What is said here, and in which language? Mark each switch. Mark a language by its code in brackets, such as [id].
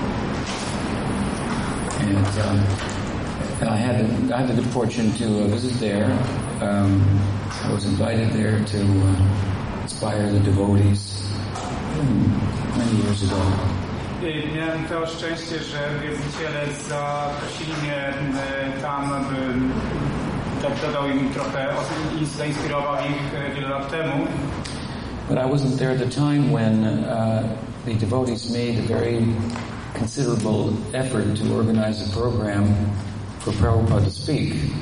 [en] And I had the good fortune to visit there. I was invited there to inspire the devotees many years ago. [pl] Miałem to szczęście, że wierzyciele zaprosili mnie tam, aby tak dodał im trochę, zainspirował ich wiele lat temu. [en] But I wasn't there at the time when the devotees made a very considerable effort to organize a program for Prabhupada to speak.